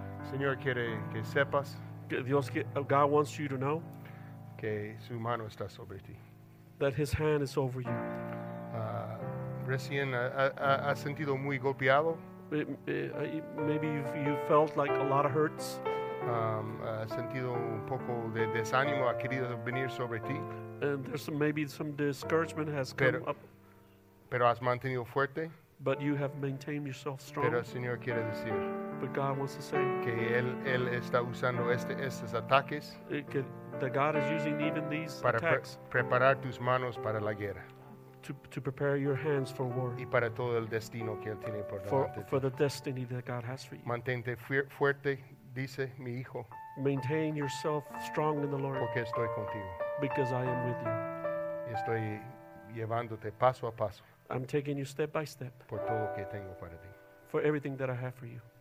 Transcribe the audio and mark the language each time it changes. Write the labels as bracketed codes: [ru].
[es] Señor quiere que sepas, [en] God wants you to know, [es] que su mano está sobre ti, [en] that his hand is over you. [es] Recién has sentido muy golpeado. [en] Maybe you felt like a lot of hurts. [es] Has sentido un poco de desánimo, ha querido venir sobre ti. [en] And there's maybe some discouragement has come up. [es] Pero has mantenido fuerte. [en] But you have maintained yourself strong. [es] Pero el Señor quiere decir, [en] but God wants to say [es] que él está usando estos ataques, [en] that God is using even these [es] para [en] attacks [es] preparar tus manos para la guerra, [en] to prepare your hands for war, [es] y para todo el destino que él tiene por delante, [en] for the destiny that God has for you. [es] Mantente fuerte, dice mi hijo. [en] Maintain yourself strong in the Lord, [es] porque estoy contigo. [en] Because I am with you. [es] Y estoy llevándote paso a paso. [en] I'm taking you step by step. [es] Por todo que tengo para ti. [en] For everything that I have for you.